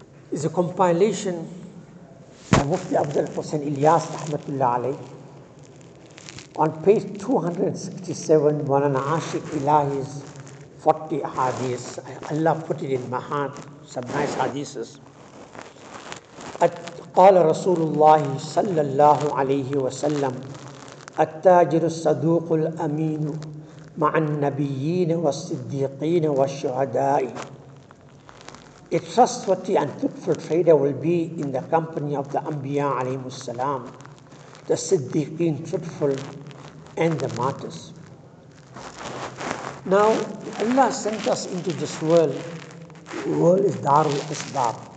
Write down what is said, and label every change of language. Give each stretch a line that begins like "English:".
English: It's a compilation of Mufti Abdul Hussain Ilyas Rahmatullah Alayh. On page 267, Mawlana Ashiq Ilahi's 40 hadiths. Allah put it in Mahat, some nice hadiths.
Arabic: قال رسول الله صلى الله عليه وسلم التاجر الصدوق الأمين مع النبيين والصديقين والشهداء.
English: A trustworthy and truthful trader will be in the company of the Anbiya
Arabic: عليهم السلام,
English: the Siddiqeen, truthful, and the martyrs. Now, Allah sent us into this world. The world is Darul Asbab.